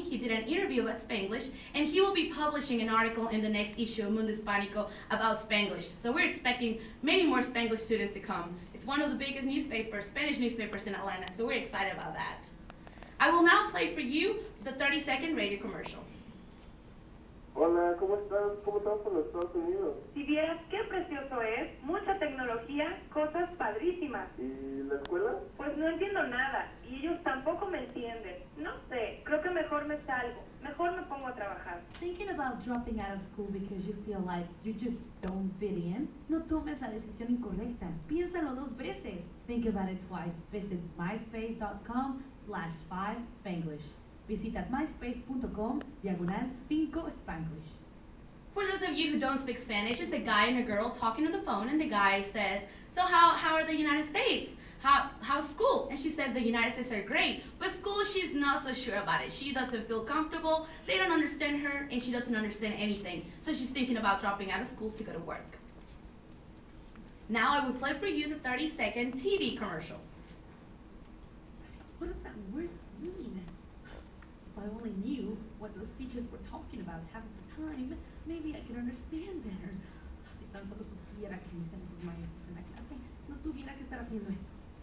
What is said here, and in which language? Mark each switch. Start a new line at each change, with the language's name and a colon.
English: He did an interview about Spanglish, and he will be publishing an article in the next issue of Mundo Hispanico about Spanglish. So we're expecting many more Spanglish students to come. It's one of the biggest newspapers, Spanish newspapers in Atlanta, so we're excited about that. I will now play for you the 30-second radio commercial.
Spanish: Hola, ¿cómo están? ¿Cómo están por los Estados Unidos? Si vieras qué precioso es, mucha tecnología, cosas padrísimas. ¿Y la escuela? Pues no entiendo nada, y ellos tampoco me entienden. No sé, creo que mejor me salgo, mejor me pongo a trabajar.
English: Thinking about dropping out of school because you feel like you just don't fit in?
Spanish: No tomes la decisión incorrecta, piénsalo dos veces.
English: Think about it twice, visit myspace.com/5spanglish.
Spanish: Visita myspace.com/5spanglish.
English: For those of you who don't speak Spanish, it's a guy and a girl talking on the phone, and the guy says, so how are the United States? How's school? And she says the United States are great, but school, she's not so sure about it. She doesn't feel comfortable, they don't understand her, and she doesn't understand anything. So she's thinking about dropping out of school to go to work. Now I will play for you the 30-second TV commercial. What does that word mean? I only knew what those teachers were talking about half of the time. Maybe I could understand better.
Spanish: Si tan solo supiera que dicen esos maestros en la clase, no tuviera que estar haciendo esto.